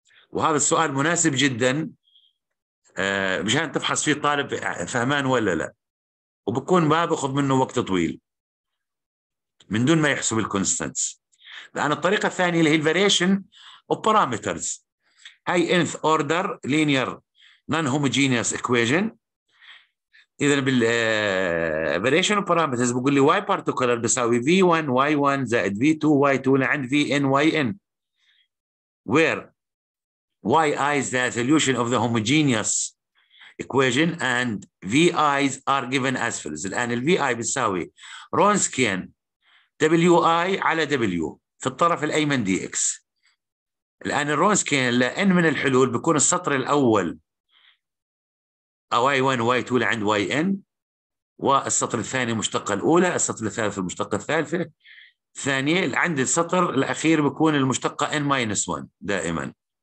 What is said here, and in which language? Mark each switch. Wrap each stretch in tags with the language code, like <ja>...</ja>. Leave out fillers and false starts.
<ar>وهذا السؤال مناسب جدا مشان تفحص فيه طالب فهمان ولا لا، وبكون ما بأخذ منه وقت طويل من دون ما يحسب الكونستانتس. لأن الطريقة الثانية اللي هي الفاريشن والبارامترز، هاي</ar> <en>nth order linear non-homogeneous equation.</en> <ar>إذا بالفاريشن والبارامترز بقول لي y particular بساوي v1 y1 زائد v2 y2 لعند vn yn،</ar> <en>where y is the solution of the homogeneous equation and v i's are given as follows.</en> <ar>الان ال v i بتساوي رونسكيان w i على w في الطرف الايمن دي اكس. الان الرونسكيان ل n من الحلول بيكون السطر الاول y1 y2 لعند yn، والسطر الثاني المشتقه الاولى، السطر الثالث المشتقه الثالثه، ثانيه عند السطر الاخير بيكون المشتقه n minus 1 دائما.</ar>